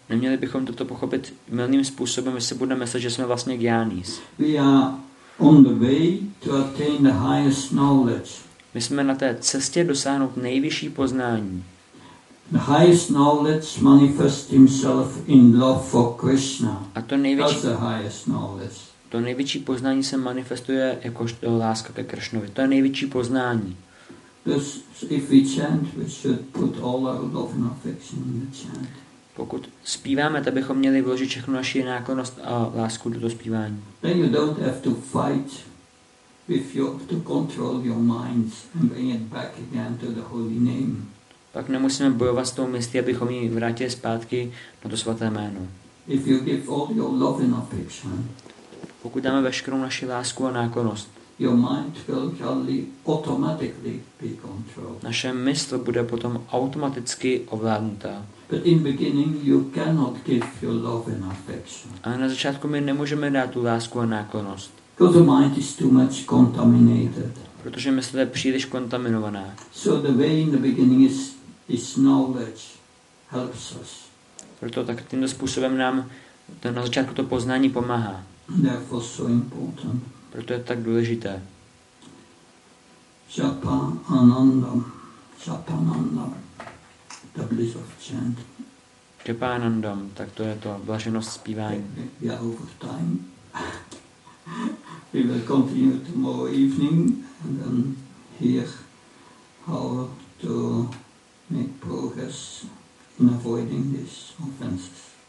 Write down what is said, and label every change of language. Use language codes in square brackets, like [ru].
[cs] Neměli bychom toto pochopit mylným způsobem, jestli budeme myslet, že jsme vlastně jnanis. [en] We are on the way to attain the highest knowledge. [cs] My jsme na té cestě dosáhnout nejvyšší poznání. [en] The highest knowledge manifests himself in love for Krishna. [cs] A to největší, [en] that's the highest knowledge. [cs] To největší poznání se manifestuje jako láska ke Krishnovi. To je největší poznání. [en] If we chant, we should put all our love and affection in the chant. [cs] Pokud zpíváme, tak bychom měli vložit všechnu naši náklonnost a lásku do zpívání. [en] Then you don't have to fight with to control your minds and bring it back again to the holy name. [cs] Pak nemusíme bojovat s tou myslí, abychom ji vrátili zpátky na to svaté jméno. [en] If you give all your love and affection, [cs] pokud dáme veškerou naši lásku a náklonnost, [en] your mind will totally automatically be controlled. [cs] Naše mysl bude potom automaticky ovládnutá. [en] But in beginning you cannot give your love and affection. [cs] Ale na začátku my nemůžeme dát tu lásku a náklonnost. [en] Because the mind is too much contaminated. [cs] Protože mysl je příliš kontaminovaná. [en] So the way in the beginning is knowledge helps us. [cs] Proto tak tímto způsobem nám to na začátku to poznání pomáhá. [en] Therefore so important. [cs] Proto je tak důležité. [en] Japa Ananda. Japa Ananda. The bliss of chant. [cs] Japa Ananda. Tak to je to. Blaženost zpívání. [en] We are over time. We will continue tomorrow evening and then hear how to make progress in avoiding these offenses.